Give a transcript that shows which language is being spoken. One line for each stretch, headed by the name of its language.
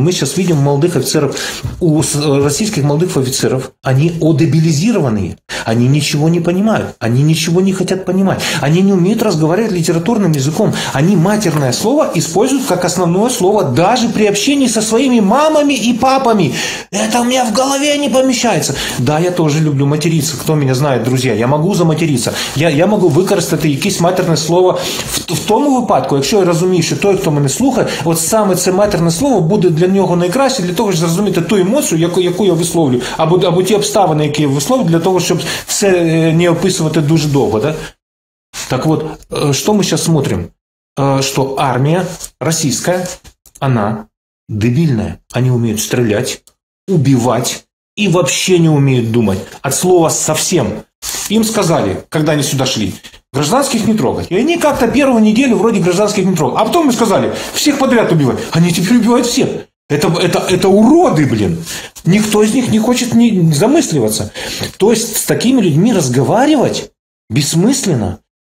Russian: Мы сейчас видим молодых офицеров, у российских молодых офицеров, они одебилизированные. Они ничего не понимают, они ничего не хотят понимать, они не умеют разговаривать литературным языком, они матерное слово используют как основное слово даже при общении со своими мамами и папами. Это у меня в голове не помещается. Да, я тоже люблю материться, кто меня знает, друзья, я могу
Ukrainian: заматериться, я могу выкористать якесь матерное слово в тому випадку, якщо я розумію, що той, хто мене слухає, от саме це матерне слово буде для нього найкраще, для того, щоб зрозуміти ту емоцію, яку я висловлю, або ті обставини, які я висловлю, для того, щоб все не описувати дуже довго. Да? Так от, що ми зараз смотрим? Що армія російська, вона дебільна. Вони вміють стріляти, убивати і взагалі не вміють думати.
Russian: От слова совсем.
Ukrainian: Їм сказали, коли вони сюди йшли,
Russian: гражданских не трогать. И они как-то первую неделю вроде гражданских не трогали. А потом мы сказали, всех подряд убивать. Они теперь убивают всех. Это уроды, блин. Никто из них не хочет ни замысливаться. То есть с такими людьми разговаривать бессмысленно.